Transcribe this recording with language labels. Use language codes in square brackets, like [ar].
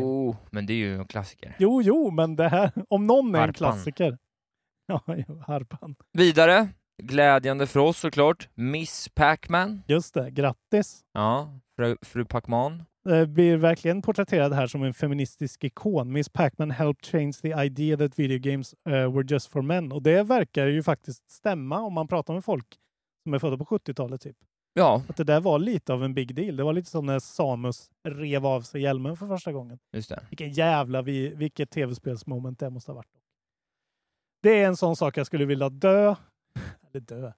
[sv] Jo, men det är ju en klassiker. Jo, men det här... Om någon är harpan. En klassiker. Ja, harpan. Vidare. Glädjande för oss såklart. Miss Pac-Man. Just det, grattis. Ja, fru Pac-Man. Blir verkligen porträtterad här som en feministisk ikon. [en] Miss Pac-Man helped change the idea that video games were just for men. [sv] Och det verkar ju faktiskt stämma om man pratar med folk som är födda på 70-talet typ. Ja. Att det där var lite av en [en] big deal. [sv] Det var lite som när Samus rev av sig hjälmen för första gången. Just det. Vilken jävla, vilket tv-spelsmoment det måste ha varit. Det är en sån sak jag skulle vilja dö. Eller dö.